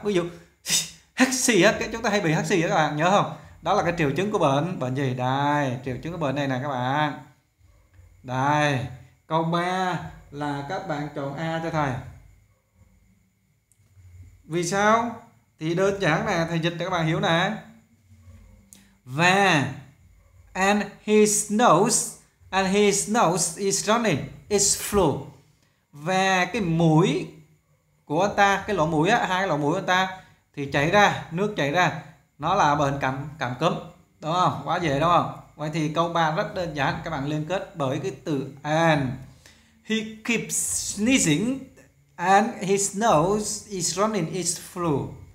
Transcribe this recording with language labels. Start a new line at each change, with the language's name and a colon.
Vietnamese: Ví dụ hắt xì á, chúng ta hay bị hắt xì đó các bạn, nhớ không? Đó là cái triệu chứng của bệnh. Bệnh gì? Đây, triệu chứng của bệnh này nè các bạn. Đây, câu 3 là các bạn chọn A cho thầy. Vì sao? Thì đơn giản nè, thầy dịch cho các bạn hiểu nè.
English: Và And his nose is running, it's flu.
Vietnamese: Và cái mũi của anh ta, cái lỗ mũi á, hai cái lỗ mũi của anh ta thì chảy ra, nước chảy ra. Nó là bệnh cảm cúm, đúng không? Quá dễ đúng không? Vậy thì câu 3 rất đơn giản, các bạn liên kết bởi cái từ and.
English: He keeps sneezing and his nose is running its flu.